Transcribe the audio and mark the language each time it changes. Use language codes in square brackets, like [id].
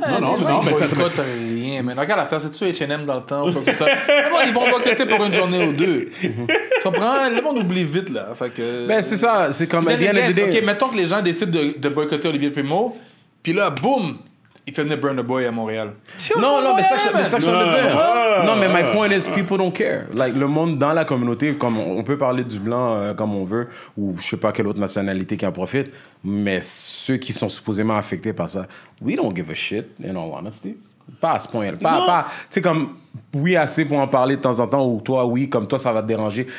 [fr] mais t'as pas rien, man. Regarde l'affaire, c'est-tu H&M dans le temps ou quoi que ça? Ils vont boquetter pour une journée ou deux. Tu comprends? Le monde oublie vite, là. Fait que... Ben, c'est ça, c'est comme bien l'idée. OK, mettons que les gens décident de boycotter Olivier Primo, puis là, boum, ils fait venir Burna Boy à Montréal. Non, mais [en] my point is, people don't care. [fr] Like, le monde dans la communauté, comme on peut parler du blanc comme on veut, ou je sais pas quelle autre nationalité qui en profite, mais ceux qui sont supposément affectés par ça, [en] we don't give a shit, in all honesty. [fr] Pas à ce point-là. Pas, tu sais, comme, oui, assez pour en parler de temps en temps, ou toi, oui, comme toi, ça va te déranger.